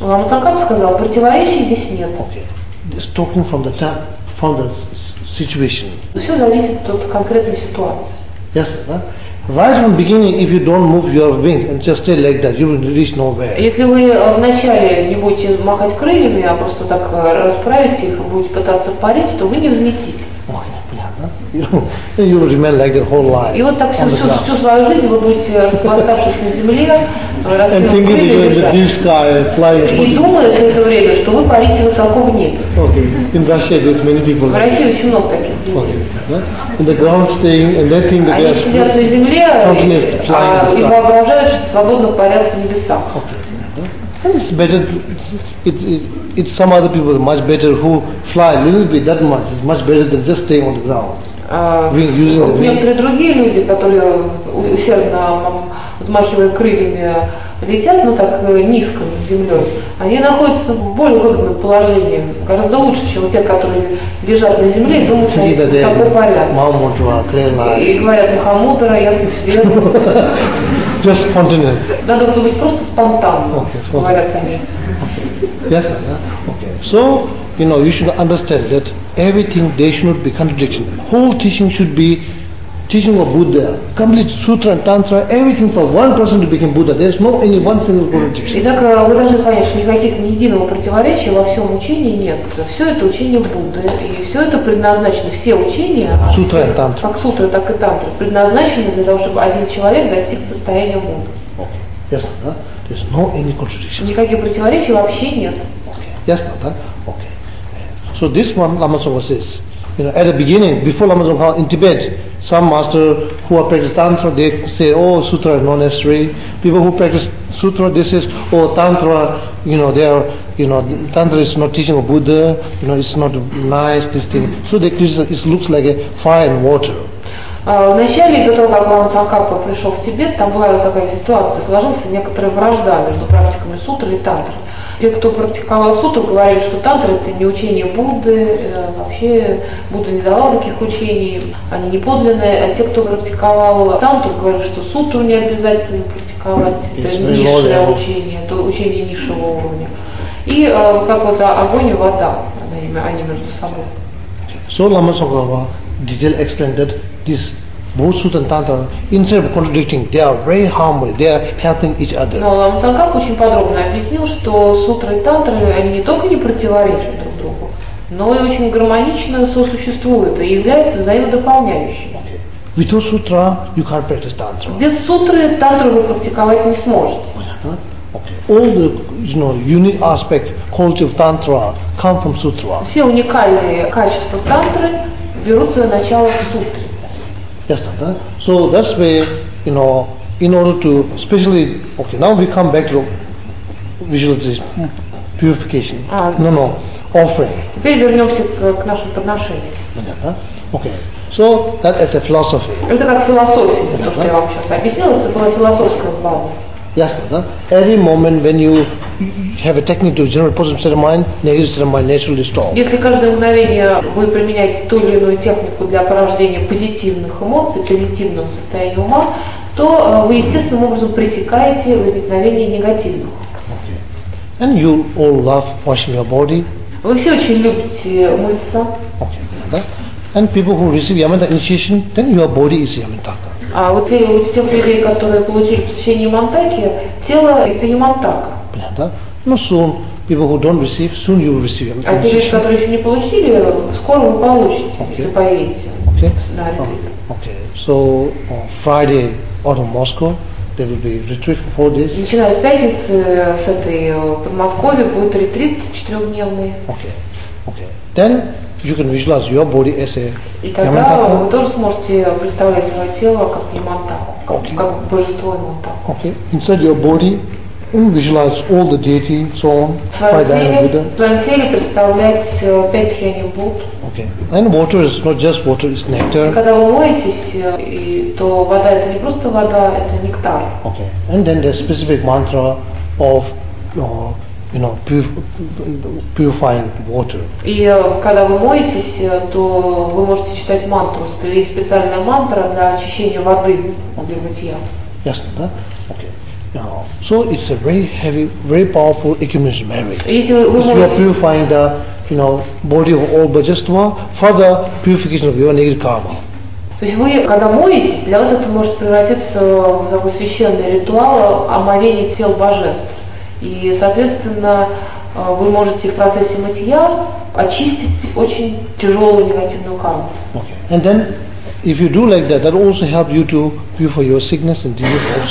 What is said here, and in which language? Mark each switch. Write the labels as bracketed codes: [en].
[ru] Лама Цонкапа сказал, противоречий здесь нет. [en] Okay. Just talking from the situation. [ru] Все зависит от конкретной ситуации. [en] Yes, right from the beginning, if you don't move your wing and just stay like that, you will reach nowhere. [ru] Если вы вначале не будете махать крыльями, а просто так расправите их и будете пытаться парить, то вы не взлетите. Понятно. [en] You will remain like that whole life. [ru] И вот так всю свою жизнь вы будете распластавшись на земле, раскинув крылья и летать. И думая все это время, что вы парите высоко в небе. [en] Okay. In Russia, there's many people. [ru] В России очень много таких людей. [en] Okay. In the ground staying and they think that they are flying. [ru] Они сидят на земле и воображают, что свободно парят в небесах. [en] It's better. It's some other people much better who fly a little bit that much. It's much better than just staying on the ground. [ru] Некоторые другие люди, которые усердно взмахивают крыльями, летят, но так низко над землей, они находятся в более выгодном положении, гораздо лучше, чем те, которые лежат на земле и думают, что они в таком порядке. И говорят, Махамудра, ясный свет. [en] Just spontaneous. [ru] Надо думать просто спонтанно, говорят они. [en] Yes, okay. So, you know, you should understand that everything there should be contradiction. Whole teaching should be teaching of Buddha. Complete sutra and tantra, everything for one person to become Buddha. There's no any one single contradiction. [ru] Итак, вы должны понять, что никаких ни единого противоречия во всем учении нет. Все это учение Будды. И все это предназначено, все учения, [en] sutra and tantra. [ru] Как сутра, так и тантра, предназначены для того, чтобы один человек достиг состояния Будды. [en] Okay. Yes, huh? There's no any contradiction. [ru] Никаких противоречий вообще нет. Ясно, да? Okay. [en] So this one, Lama Tsongkhapa says, you know, at the beginning, before Lama Tsongkhapa, in Tibet, some master who are practicing Tantra, they say, oh, Sutra is not necessary. People who practice Sutra, they say, oh, Tantra, you know, they are, you know, Tantra is not teaching of Buddha, you know, it's not nice, this thing. So they criticize, it looks like a fire and water. [ru] Вначале, до того, как Лама Цанкапа пришел в Тибет, там была такая ситуация, сложилась некоторая вражда между практиками сутры и тантры. Те, кто практиковал сутру, говорили, что тантра – это не учение Будды, вообще Будда не давал таких учений, они не подлинные. А те, кто практиковал тантру, говорили, что сутру не обязательно практиковать, это низшее учение, это учение низшего уровня. И как вот огонь и вода, они между собой. [en] So, Lama Tsongkhapa detail explained that this both sutra and tantra, instead of contradicting, they are very humble, they are helping each other. [ru] Но Лама Цанкапа очень подробно объяснил, что сутры и тантры, они не только не противоречат друг другу, но и очень гармонично сосуществуют и являются взаимодополняющими. [en] Without sutra, you can't practice tantra. [ru] Без сутры тантру вы практиковать не сможете. [en] Okay. All the, you know, unique aspect, quality of tantra come from sutra. [ru] Все уникальные качества тантры берут свое начало в сутре. [en] Yes, that, huh? So that's where, you know, in order to, especially, okay, now we come back to visualization, purification, offering. [ru] Теперь вернемся к нашим подношениям. [en] Yeah, huh? Okay, so that is a philosophy. [ru] Это как философия, yeah, то, что я вам сейчас объяснил, это была философская база. [en] Yes, that, huh? Every moment when you have a technique to generate positive state of mind, negative state of mind naturally stops. [ru] Если каждое мгновение вы применяете ту или иную технику для порождения позитивных эмоций, позитивного состояния ума, то вы естественным образом пресекаете возникновение негативных. [en] Okay. And you all love washing your body. [ru] Вы все очень любите мыться. [en] Okay. And people who receive yamata initiation, then your body is yamantaka. [ru] А вот те у тех людей, которые получили посещение ямантаки, тело это ямантака. [en] Но soon people who don't receive, soon you will receive. [ru] А те люди, которые еще не получили, скоро вы получите, okay, если поедете на ретрит. [en] Okay. So on Friday, autumn Moscow, there will be retreat for 4 days. [ru] Начиная с пятницы с этой Подмосковье будет ретрит 4-дневный. [en] Okay. Okay. Then you can visualize your body as a. [ru] И тогда вы тоже сможете представлять свое тело как ямантаку, как божество ямантаку. [en] Okay. Inside your body. And visualize all the deity, so on, [ru] Своем теле представлять пять тхьяни Будд. [en] Okay. And water is not just water, it's nectar. [ru] И когда вы моетесь, то вода это не просто вода, это нектар. [en] Okay. And then there's specific mantra of, you know, purifying water. [ru] И когда вы моетесь, то вы можете читать мантру. Есть специальная мантра для очищения воды для мытья. Ясно, да? Okay. [en] Now, so it's a very heavy, very powerful accumulation merit. If you are purifying the, you know, body of all bhajastma, further purification of your negative karma. [ru] То есть вы, когда моетесь, для вас это может превратиться в такой священный ритуал омовения тел божеств. И, соответственно, вы можете в процессе мытья очистить очень тяжелую негативную карму. [en] Okay. And then, if you do like that, that also help you to view for your sickness and disease also.